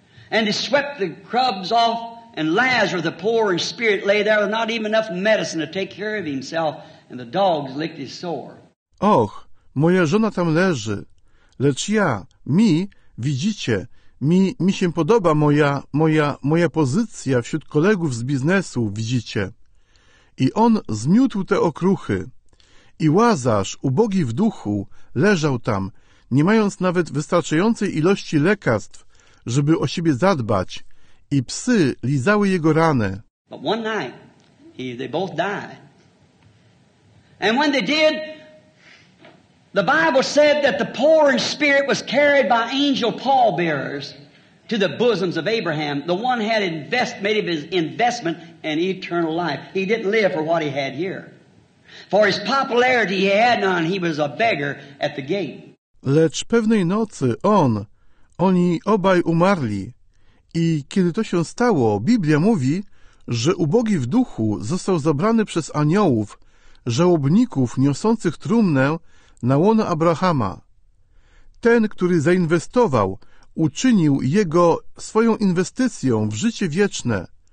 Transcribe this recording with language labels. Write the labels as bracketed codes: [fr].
[en] And he swept the crumbs off, and Lazarus, the poor in spirit, lay there with not even enough medicine to take care of himself, and the dogs licked his sore. [pl] Och, moja żona tam leży, lecz ja, mi, widzicie, mi się podoba moja pozycja wśród kolegów z biznesu, widzicie. I on zmiótł te okruchy. I Łazarz, ubogi w duchu, leżał tam, nie mając nawet wystarczającej ilości lekarstw, żeby o siebie zadbać. I psy lizały jego ranę. [en] But one night, they both died. And when they did... The Bible said that the poor in spirit was carried by angel pallbearers to the bosoms of Abraham. The one had made his investment in eternal life. He didn't live for what he had here. For his popularity he had none. He was a beggar at the gate. [pl] Lecz pewnej nocy oni obaj umarli I kiedy to się stało, Biblia mówi, że ubogi w duchu został zabrany przez aniołów, żałobników niosących trumnę na łono Abrahama. Ten, który zainwestował, uczynił jego swoją inwestycją w życie wieczne.